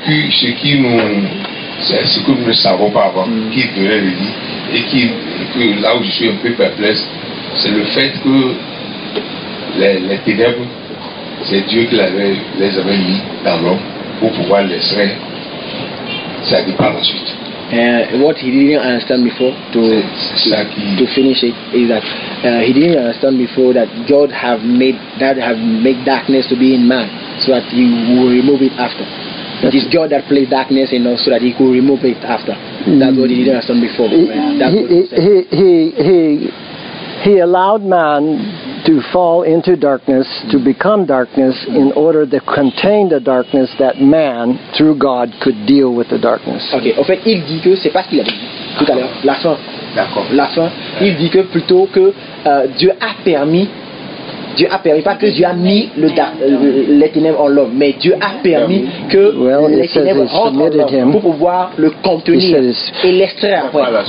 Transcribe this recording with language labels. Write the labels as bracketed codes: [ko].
[fr] C'est que nous ne savons pas avant qui venait lui dire et qui, que là où je suis un peu perplexe, c'est le fait que les ténèbres, c'est Dieu qui les avait mis dans l'homme pour pouvoir les serrer. Ça dit par la suite. [en] What he didn't understand before to finish it is that he didn't understand before that God have made that have made darkness to be in man so that he will remove it after. It is God that placed darkness in us so that He could remove it after. That's what He didn't understand before. He allowed man to fall into darkness, to become darkness, in order to contain the darkness that man, through God, could deal with the darkness. [fr] Okay, en fait, il dit que c'est pas ce qu'il a dit tout à l'heure, la fin. D'accord. La fin. Il dit que plutôt que Dieu a permis. Dieu a permis, pas que Dieu a mis les ténèbres en l'homme, mais Dieu a permis que les ténèbres rentrent en l'homme pour pouvoir le contenir et l'extraire après.